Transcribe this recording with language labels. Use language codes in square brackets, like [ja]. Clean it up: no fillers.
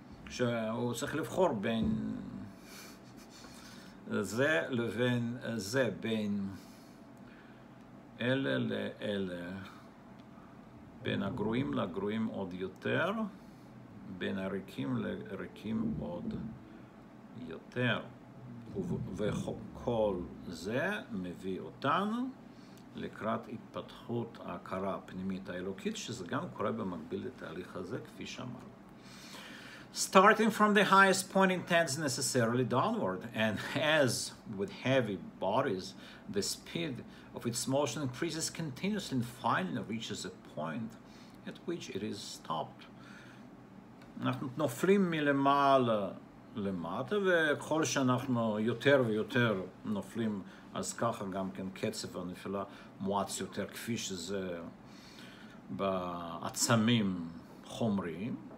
[he] שהוא צריך לבחור בין זה לבין זה, בין אלה לאלה, בין הגרועים לגרועים עוד יותר, בין הריקים לריקים עוד יותר. וכל זה מביא אותנו לקראת התפתחות ההכרה הפנימית האלוקית, שזה גם קורה במקביל לתהליך הזה, כפי שאמרנו. [en] Starting from the highest point intends necessarily downward, and as with heavy bodies, the speed of its motion increases continuously and finally reaches a point at which it is stopped. [he] אנחנו נופלים מלמעלה למטה, וכל שאנחנו יותר ויותר נופלים, אז ככה גם כן קצב הנפילה מועץ יותר, כפי שזה בעצמים חומריים.